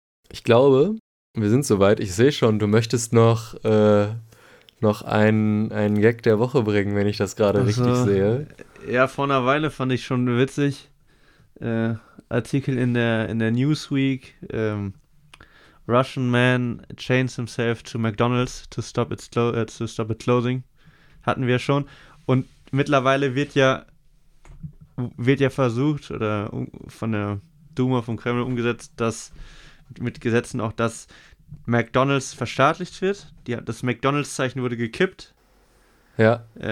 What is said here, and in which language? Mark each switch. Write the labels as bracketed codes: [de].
[de] Ich glaube, wir sind soweit. Ich sehe schon, du möchtest noch einen Gag der Woche bringen, wenn ich das gerade richtig sehe. Ja, vor einer Weile fand ich schon witzig. Artikel in der Newsweek. [en] Russian man chains himself to McDonald's to stop it closing. [de] Hatten wir schon. Und mittlerweile wird ja versucht, oder von der Duma, vom Kreml umgesetzt, dass mit Gesetzen auch, dass McDonald's verstaatlicht wird. Das McDonald's-Zeichen wurde gekippt. Ja.